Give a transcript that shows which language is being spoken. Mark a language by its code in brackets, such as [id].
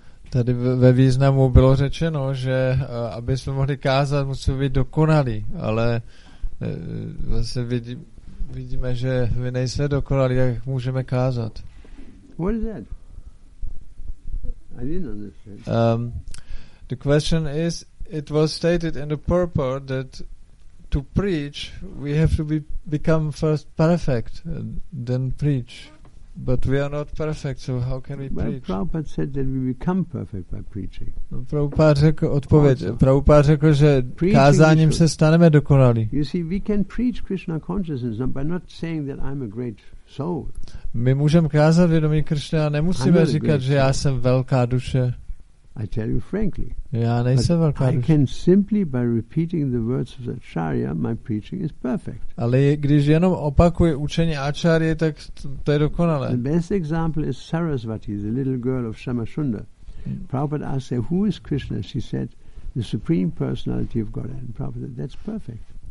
[cs] Tady ve významu bylo řečeno, že aby jsme mohli kázat, musí být dokonalý, ale vlastně vidíme, že vy nejste dokonalý, jak můžeme kázat. [en] What is that? I didn't understand. The question is, it was stated in the purport that to preach, we have to become first perfect, then preach. But we are not perfect, so how can we preach? Prabhupada said that we become perfect by preaching. [cs] Prabhupada řekl odpověď. Prabhupada řekl, že kázáním se staneme dokonalí. [en] You see, we can preach Krishna consciousness by not saying that I'm a great soul. [cs] My můžeme kázat vědomí Krishna a nemusíme říkat, že já jsem velká duše. [en] I tell you frankly. [cs] Já nejsem velká duše. [en] I can simply by repeating the words of the acharya, my preaching is perfect. [cs] Ale když jenom opakuji učení acharye, tak to je dokonalé. [en] The best example is Sarasvati, the little girl of Shamashunda. Prabhupada asked her, "Who is Krishna?" She said, "The supreme personality of God." And Prabhupada said, "That's perfect."